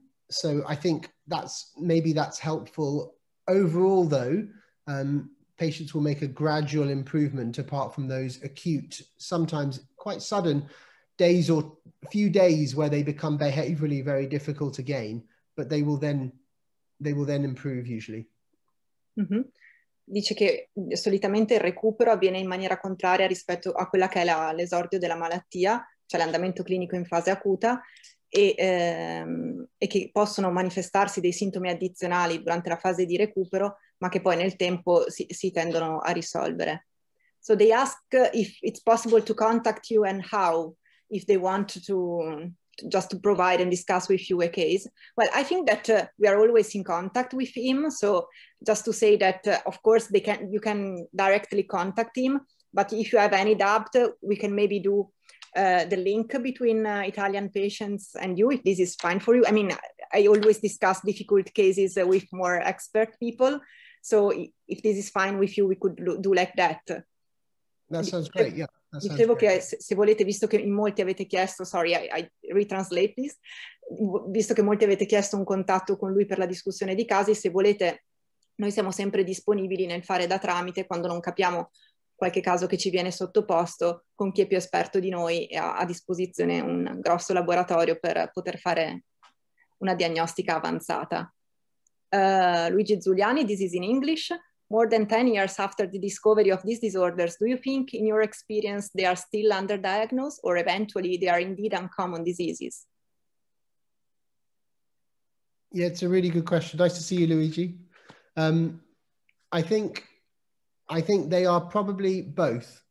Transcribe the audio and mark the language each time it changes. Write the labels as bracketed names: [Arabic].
[English] So I think that's maybe that's helpful. Overall, though, patients will make a gradual improvement apart from those acute, sometimes quite sudden, days or few days where they become behaviorally very difficult again, but they will then improve usually. Mm-hmm. [Italian] Dice che solitamente il recupero avviene in maniera contraria rispetto a quella che è l'esordio della malattia, cioè l'andamento clinico in fase acuta, e che possono manifestarsi dei sintomi addizionali durante la fase di recupero, ma che poi nel tempo si tendono a risolvere. [English] So they ask if it's possible to contact you and how, if they want to just to provide and discuss with you a case. Well, I think that we are always in contact with him. So just to say that, of course, you can directly contact him. But if you have any doubt, we can maybe do the link between Italian patients and you, if this is fine for you. I mean, I always discuss difficult cases with more expert people. So if this is fine with you, we could do like that. That sounds great, yeah. [Italian] Dicevo che se volete, visto che in molti avete chiesto, [English] I retranslate this, [Italian] visto che molti avete chiesto un contatto con lui per la discussione di casi, se volete noi siamo sempre disponibili nel fare da tramite quando non capiamo qualche caso che ci viene sottoposto, con chi è più esperto di noi e ha a disposizione un grosso laboratorio per poter fare una diagnostica avanzata. [English] Luigi Zuliani, this is in English. More than 10 years after the discovery of these disorders, do you think, in your experience, they are still underdiagnosed, or eventually they are indeed uncommon diseases? Yeah, it's a really good question. Nice to see you, Luigi. I think they are probably both.